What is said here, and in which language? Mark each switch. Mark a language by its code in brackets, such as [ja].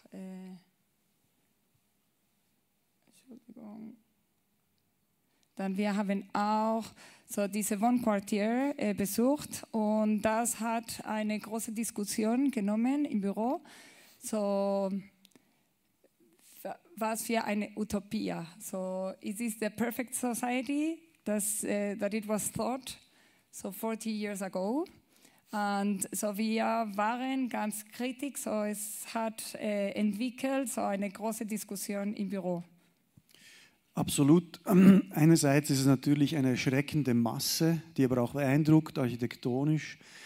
[de] Entschuldigung. Dann wir haben auch so diese Wohnquartier besucht und das hat eine große Diskussion genommen im Büro. So, was für eine Utopie. [en] So, is this the perfect society that, that it was thought so 40 years ago? [de] Und so wir waren ganz kritisch, so es hat entwickelt so eine große Diskussion im Büro. Absolut. Einerseits ist es natürlich eine erschreckende Masse, die aber auch beeindruckt, architektonisch.